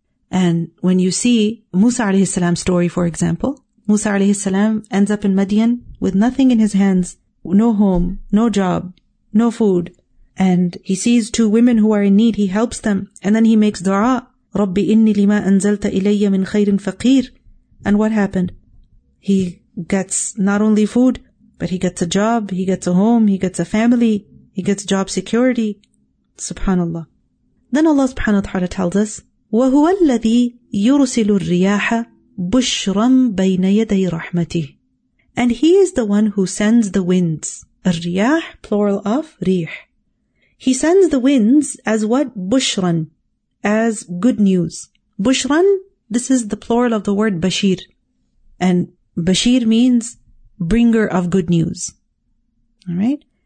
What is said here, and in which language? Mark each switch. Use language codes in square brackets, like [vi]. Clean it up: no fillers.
[en] And when you see Musa ﷺ's story, for example, Musa ﷺ ends up in Madian with nothing in his hands, no home, no job, no food, and he sees two women who are in need, he helps them, and then he makes dua, [ar] رَبِّ إِنِّي لِمَا أَنزَلْتَ إِلَيَّ مِنْ خَيْرٍ فَقِيرٍ. [en] And what happened? He gets not only food, but he gets a job, he gets a home, he gets a family, he gets job security. SubhanAllah. Then Allah subhanahu wa ta'ala tells us, [ar] وَهُوَ الَّذِي يُرْسِلُ الرِّيَاحَ بُشْرًا بَيْنَ يَدَيْ رَحْمَتِهِ. [en] And he is the one who sends the winds. الرِّيَاح, plural of رِيح. He sends the winds as what? Bushran, as good news. Bushran, this is the plural of the word bashir. And bashir means bringer of good news. All right?